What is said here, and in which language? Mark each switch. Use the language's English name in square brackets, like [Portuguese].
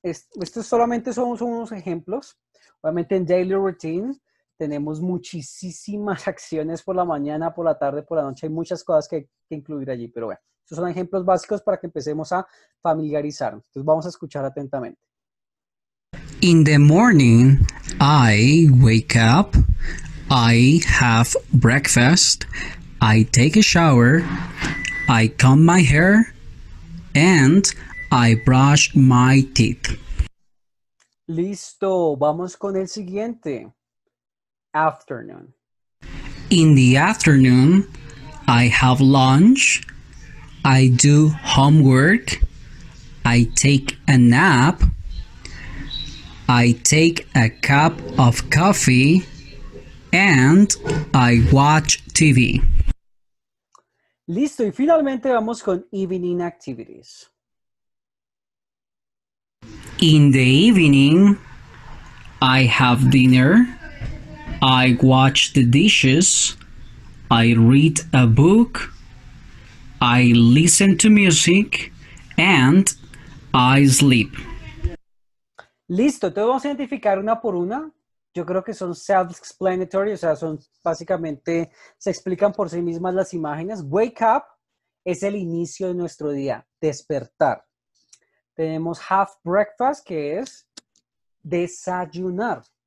[Spanish] Estos solamente son unos ejemplos. Obviamente, en daily routine tenemos muchísimas acciones por la mañana, por la tarde, por la noche. Hay muchas cosas que incluir allí. Pero bueno, estos son ejemplos básicos para que empecemos a familiarizarnos. Entonces, vamos a escuchar atentamente. [English] In the morning, I wake up. I have breakfast, I take a shower, I comb my hair, and I brush my teeth. [Spanish] Listo, vamos con el siguiente. [English] Afternoon. In the afternoon, I have lunch, I do homework, I take a nap, I take a cup of coffee, and I watch TV. [Spanish] Listo, y finalmente vamos con evening activities. [English] In the evening, I have dinner, I wash the dishes, I read a book, I listen to music, and I sleep. [Spanish] Listo, entonces vamos a identificar una por una. Yo creo que son self-explanatory, o sea, son básicamente, se explican por sí mismas las imágenes. Wake up es el inicio de nuestro día, despertar. Tenemos have breakfast, que es desayunar.